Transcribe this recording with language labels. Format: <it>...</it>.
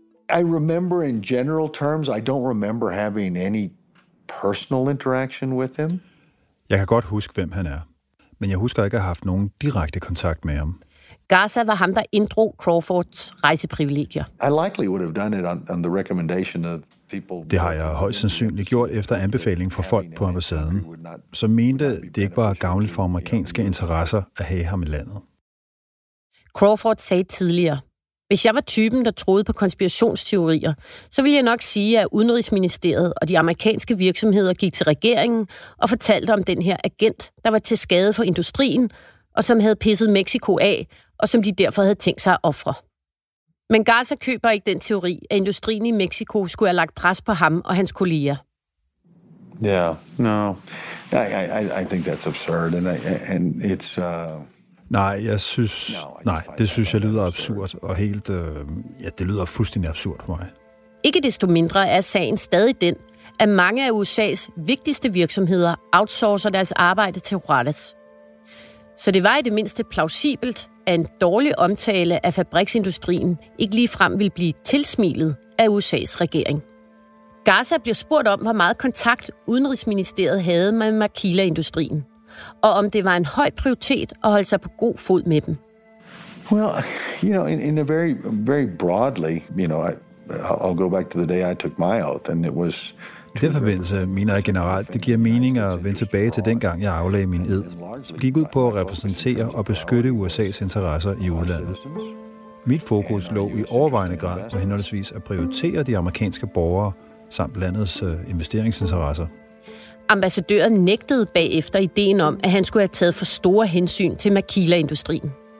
<en>I remember in general terms, I don't remember having any personal interaction with him.</en> <da>Jeg kan godt huske, hvem han er, men jeg husker ikke at have haft nogen direkte kontakt med ham. Garza var ham, der inddrog Crawfords rejseprivilegier.</da> <en>I likely would have done it on the recommendation of people.</en> <da>Det har jeg højst sandsynligt gjort efter anbefaling fra folk på ambassaden, som mente, det ikke var gavnligt for amerikanske interesser at have ham i landet. Crawford sagde tidligere: hvis jeg var typen, der troede på konspirationsteorier, så ville jeg nok sige, at Udenrigsministeriet og de amerikanske virksomheder gik til regeringen og fortalte om den her agent, der var til skade for industrien, og som havde pisset Mexico af, og som de derfor havde tænkt sig at ofre. Men Garza køber ikke den teori, at industrien i Mexico skulle have lagt pres på ham og hans kolleger. Ja, yeah, no.</da> <en>I think that's absurd, and it's.</en> <da>Nej, det synes jeg lyder absurd, og helt, det lyder fuldstændig absurd for mig. Ikke desto mindre er sagen stadig den, at mange af USA's vigtigste virksomheder outsourcer deres arbejde til Juarez. Så det var i det mindste plausibelt, at en dårlig omtale af fabriksindustrien ikke ligefrem ville blive tilsmilet af USA's regering. Garza bliver spurgt om, hvor meget kontakt Udenrigsministeriet havde med maquila-industrien, og om det var en høj prioritet at holde sig på god fod med dem.</da> <en>Well, you know, in a very, very broadly, you know, I'll go back to the day I took my oath, and it was</en> <da>I den forbindelse mener jeg generelt, det giver mening at vende tilbage til dengang, jeg aflagde min ed. Jeg gik ud på at repræsentere og beskytte USA's interesser i udlandet. Mit fokus lå i overvejende grad på henholdsvis at prioritere de amerikanske borgere samt landets investeringsinteresser. Ambassadøren nægtede bagefter ideen om, at han skulle have taget for store hensyn til makila-industrien.</da>